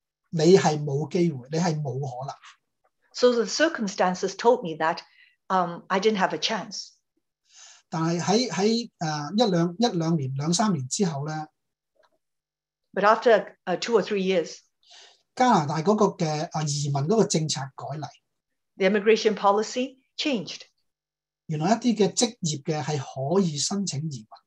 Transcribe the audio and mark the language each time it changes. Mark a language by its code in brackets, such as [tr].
[zh] 环境是给我看到，你是没有机会，你是没有可能。 [en] So the circumstances told me that I didn't have a chance. [zh] 但是在一两年、两三年之后呢, [en] But after two or three years, [zh] 加拿大那个移民那个政策改例, [en] the immigration policy changed. [zh] 原来一些职业的是可以申请移民。